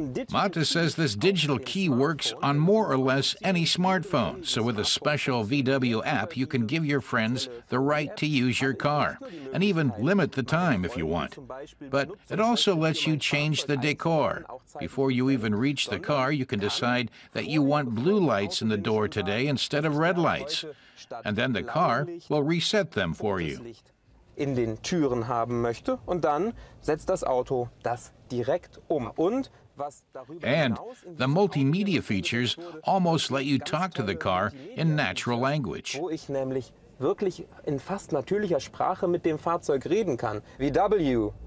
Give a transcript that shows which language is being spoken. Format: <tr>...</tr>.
<en>Mata says this digital key works on more or less any smartphone, so with a special VW app, you can give your friends the right to use your car, and even limit the time if you want. But it also lets you change the decor. Before you even reach the car, you can decide that you want blue lights in the door today instead of red lights, and then the car will reset them for you.</en> <de>In den Türen haben möchte, und dann setzt das Auto das direkt um.</de> <en>And the multimedia features almost let you talk to the car in natural language.</en> <de>Wo ich nämlich wirklich in fast natürlicher Sprache mit dem Fahrzeug reden kann. VW,</de>